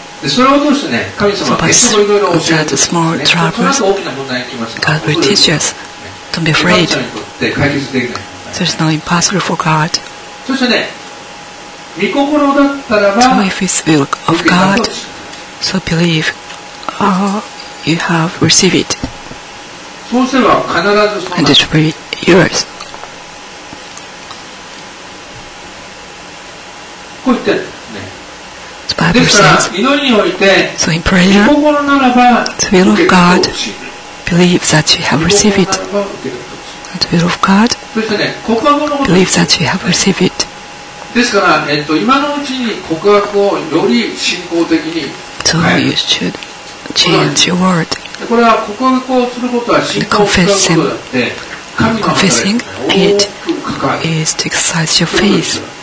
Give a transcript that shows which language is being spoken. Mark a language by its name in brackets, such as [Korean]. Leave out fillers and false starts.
[Japanese] でそれを通してね、神様は結構いろいろ教えてるんですね。 [English] So、small troubles, God will teach us. Don't be afraid. There's no impossible for God. [Japanese] そしてね、御心だったらば、 [English] so、if it's will of God, so believe, you have received it. [Japanese] そうすれば必ずそうなる。 [English] And it will be yours. [Japanese] こう言ってね。ですから祈りにおいて、 [English] so、in prayer, [Japanese] 御心ならば [English] the will of God, believe that you have received it. And the will of God, believe that you have received it. [Japanese] ですから、今のうちに告白をより信仰的に、 [English] so you should change your word. [Japanese] これは告白をすることは信仰を使うことだって、神の [English] 方で、confessing it is to exercise your faith.